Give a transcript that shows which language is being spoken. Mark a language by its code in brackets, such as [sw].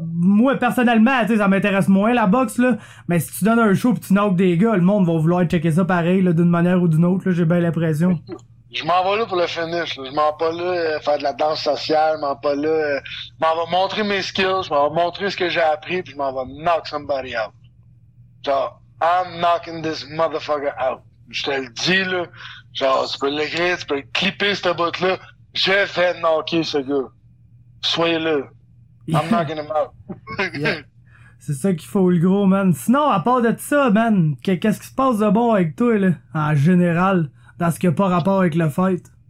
[fr] Moi personnellement, tu sais, ça m'intéresse moins la boxe là, mais si tu donnes un show pis tu knock des gars, le monde va vouloir checker ça pareil là, d'une manière ou d'une autre là, j'ai bien l'impression. Je m'en vais là pour le finish, là. Je m'en vais pas là faire de la danse sociale, je m'en vais montrer mes skills, je m'en vais montrer ce que j'ai appris, puis je m'en vais [en] knock somebody out. Genre, I'm knocking this motherfucker out. [fr] Je te le dis, là. Genre, tu peux l'écrire, tu peux clipper cette botte-là. Je vais knocker ce gars. Soyez-le. [en] I'm knocking him out. [fr] C'est ça qu'il faut, le gros, man. Sinon, à part de ça, man, qu'est-ce qui se passe de bon avec toi, là, en général, dans ce qui n'a pas rapport avec le fight?